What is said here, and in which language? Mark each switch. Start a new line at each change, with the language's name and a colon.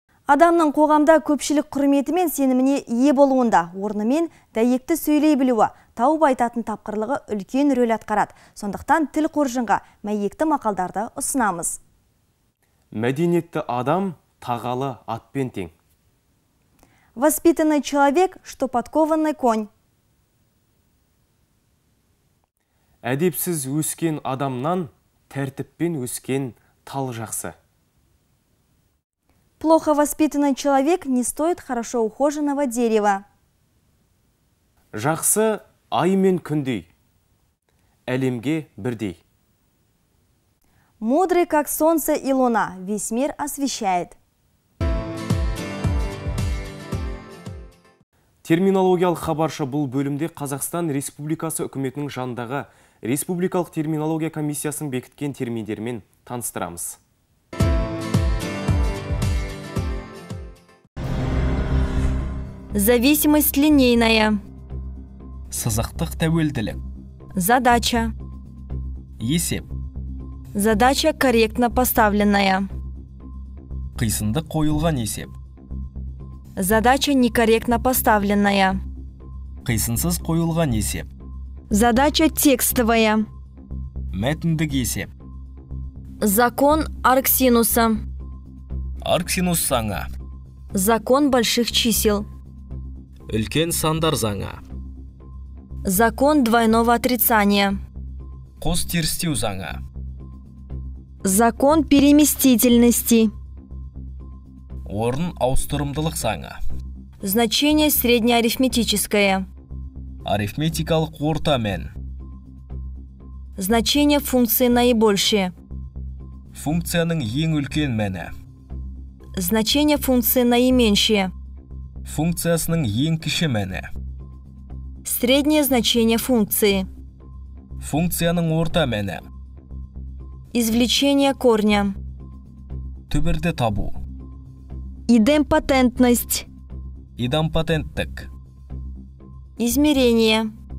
Kazakh: Адамның қоғамда көпшілік құрметі мен сеніміне ие болуында, орнымен дәйекті сөйлей білуі, тауып айтатын тапқырлығы үлкен рөл атқарады. Сондықтан тіл қоржынға мәйекті мақалдарды ұсынамыз. Мәдениетті адам тағалы атпен тең.
Russian: Воспитанный человек, что подкованный конь.
Kazakh: Әдепсіз өскен адамнан тәртіппен өскен тал жақсы.
Russian: Плохо воспитанный человек не стоит хорошо ухоженного дерева.
Kazakh: Жақсы ай мен күндей, әлемге бірдей.
Russian: Мудрый, как солнце и луна, весь мир освещает.
Kazakh: Терминологиялық хабаршы бұл бөлімде Қазақстан Республикасы үкіметінің жандағы Республикалық терминология комиссиясын бекіткен терминдермен таныстырамыз.
Russian: Зависимость линейная.
Kazakh: Сазақтық тәуелділік.
Russian: Задача.
Kazakh: Есеп.
Russian: Задача корректно поставленная.
Kazakh: Қисынды қойылған есеп.
Russian: Задача некорректно поставленная.
Kazakh: Қисынсыз қойылған есеп.
Russian: Задача текстовая.
Kazakh: Мәтіндік есеп.
Russian: Закон арксинуса.
Kazakh: Арксинус саңа.
Russian: Закон больших чисел.
Kazakh: Үлкен сандар заңа.
Russian: Закон двойного отрицания.
Kazakh: Қос терістеу заңа.
Russian: Закон переместительности.
Kazakh: Орын ауыстырымдылық заңы.
Russian: Значение среднеарифметическое.
Kazakh: Арифметикалық орта мен.
Russian: Значение функции наибольшее.
Kazakh: Функцияның ең үлкен мәні.
Russian: Значение функции наименьшее.
Kazakh: Функциясының ең кіші мәні.
Russian: Среднее значение функции.
Kazakh: Функцияның орта мәні.
Russian: Извлечение корня.
Kazakh: Түбірді табу.
Russian: Идемпотентность.
Kazakh: Идемпотенттік.
Russian: Измерение.